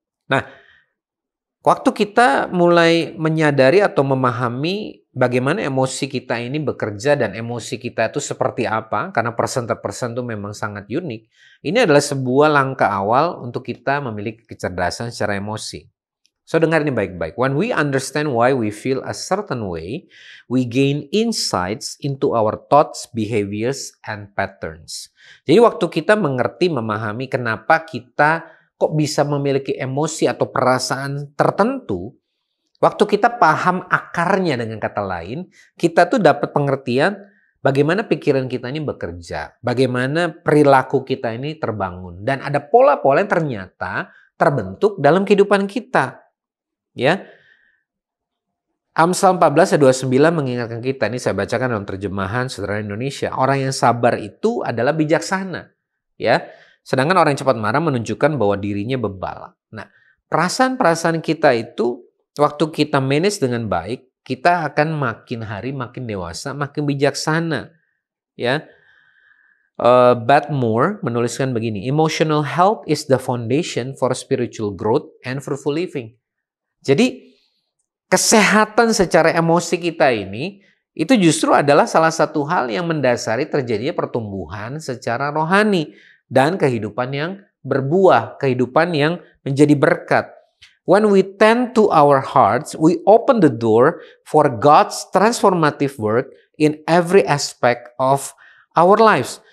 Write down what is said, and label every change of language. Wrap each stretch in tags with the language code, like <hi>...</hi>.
<id>Nah, waktu kita mulai menyadari atau memahami bagaimana emosi kita ini bekerja dan emosi kita itu seperti apa, karena</id> <en>person to person</en> <id>itu memang sangat unik, ini adalah sebuah langkah awal untuk kita memiliki kecerdasan secara emosi. So, dengar ini baik-baik.</id> <en>When we understand why we feel a certain way, we gain insights into our thoughts, behaviors, and patterns.</en> <id>Jadi waktu kita mengerti, memahami kenapa kita kok bisa memiliki emosi atau perasaan tertentu, waktu kita paham akarnya, dengan kata lain, kita tuh dapat pengertian bagaimana pikiran kita ini bekerja, bagaimana perilaku kita ini terbangun, dan ada pola-pola yang ternyata terbentuk dalam kehidupan kita. Ya. Amsal 14 ayat 29 mengingatkan kita, ini saya bacakan dalam terjemahan Saudara Indonesia, orang yang sabar itu adalah bijaksana, ya. Sedangkan orang yang cepat marah menunjukkan bahwa dirinya bebal. Nah, perasaan-perasaan kita itu waktu kita manage dengan baik, kita akan makin hari makin dewasa, makin bijaksana, ya. Batmore menuliskan begini,</id> <en>"Emotional health is the foundation for spiritual growth and fruitful living."</en> <id>Jadi kesehatan secara emosi kita ini itu justru adalah salah satu hal yang mendasari terjadinya pertumbuhan secara rohani dan kehidupan yang berbuah, kehidupan yang menjadi berkat.</id> <en>When we tend to our hearts, we open the door for God's transformative work in every aspect of our lives.</en>